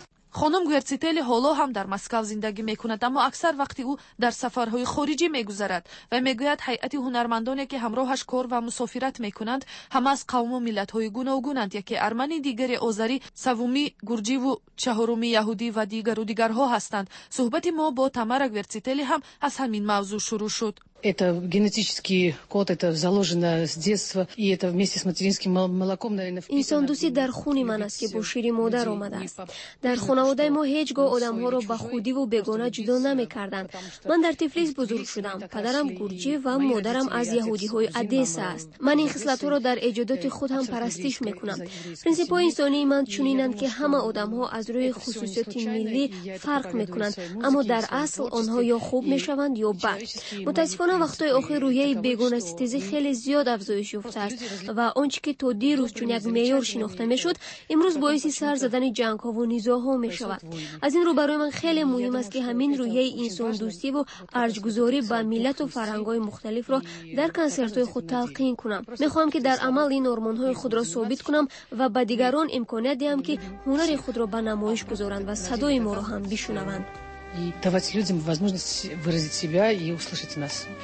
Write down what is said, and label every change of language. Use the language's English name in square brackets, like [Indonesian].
[Persian] خانم گورتسیتلی حالا هم در مسکو زندگی میکند، اما اکثر وقتی او در سفرهای خارجی میگذرد و میگوید هیئت هنرمندانی که همراهش کار و مسافرت میکنند همه از قوم و ملت های گوناگونند، یکی ارمنی، دیگر آذری، سومی گرجی و چهارمی یهودی و دیگر و دیگرها هستند. صحبت ما با تامارا گورتسیتلی هم از همین موضوع شروع شد. [Russian] Это генетический код, это заложено с детства, и это вместе с материнским молоком, наверное, впитано. [Tajik] Инсан дуси дар хуни ман аст ки бо шири модар омада аст. Дар хонаводаи мо ҳеҷгоҳ одамҳоро ба худӣ ва бегона ҷудо намекарданд. Ман дар Тифлис бузург шудам. Падарам гурҷӣ ва модарам аз яҳудиҳои Одесса аст. Ман ин хислатҳоро дар эҷодоти худ ҳам парастиш мекунам. Принсипҳои инсонии ман чунинанд ки ҳама одамҳо аз рӯи хусусиёти миллӣ фарқ мекунанд, аммо дар асл онҳо ё хуб мешаванд ё бад. [Persian] خونه وقتای آخر روحیه بیگونه ستیزی خیلی زیاد افزایش یافته است و آنچه که تا دیروز چون یک معیار شناخته می شد امروز باعث سر زدن جنگ ها و نزاع ها می شود. از این رو برای من خیلی مهم است که همین روحیه انسان دوستی و ارج گذاری به ملت و فرهنگ های مختلف را در کنسرت های خود تلقین کنم. می خواهم که در عمل این آرمان های خود را ثابت کنم و به دیگران امکانیت دهم که هنر خود را به نمایش گذارند و صدای ما را هم بشنوند. [Russian] И давать людям возможность выразить себя и услышать нас.